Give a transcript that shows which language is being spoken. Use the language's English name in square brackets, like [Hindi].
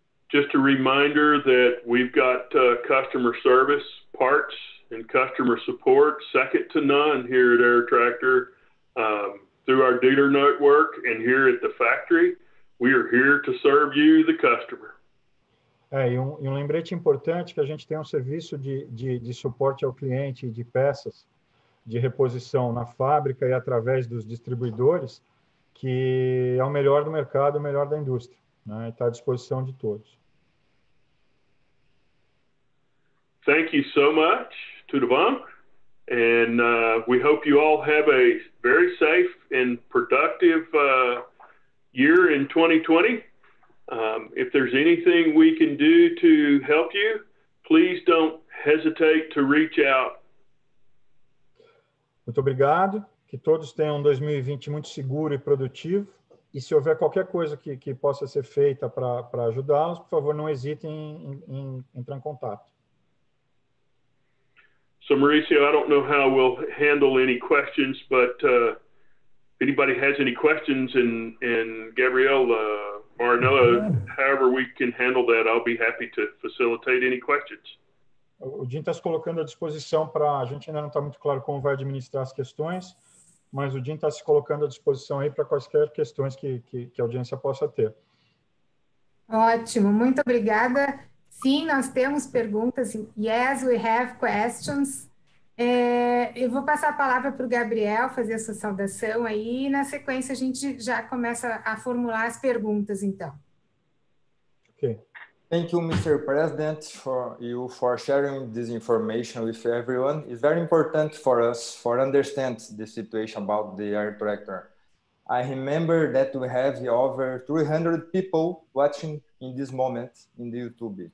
[English] Just a reminder that we've got customer service, parts and customer support second to none here at Air Tractor, through our dealer network and here at the factory. We are here to serve you, the customer. [Portuguese] E um lembrete importante que a gente tem um serviço de suporte ao cliente de peças de reposição na fábrica e através dos distribuidores, que é o melhor do mercado, o melhor da indústria, né? Está à disposição de todos. [English] Thank you so much, Tudvan. And we hope you all have a very safe and productive year in 2020. If there's anything we can do to help you, please don't hesitate to reach out. [Portuguese] Muito obrigado. Que todos tenham um 2020 muito seguro e produtivo. E se houver qualquer coisa que possa ser feita para ajudá-los, por favor, não hesitem em entrar em contato. [English] So, Mauricio, I don't know how we'll handle any questions, but if anybody has any questions, and Gabriel, Maranello, however we can handle that, I'll be happy to facilitate any questions. [Portuguese] O Jim está se colocando à disposição para... A gente ainda não está muito claro como vai administrar as questões, mas o Jim está se colocando à disposição aí para quaisquer questões que a audiência possa ter. Ótimo, muito obrigada. Sim, nós temos perguntas. [English] Yes, we have questions. [Portuguese] Eu vou passar a palavra para o Gabriel fazer a sua saudação aí, e na sequência a gente já começa a formular as perguntas, então. [English] Okay. Thank you, Mr. President, for you for sharing this information with everyone. It's very important for us for understand the situation about the air tractor. I remember that we have over 300 people watching in this moment in the YouTube.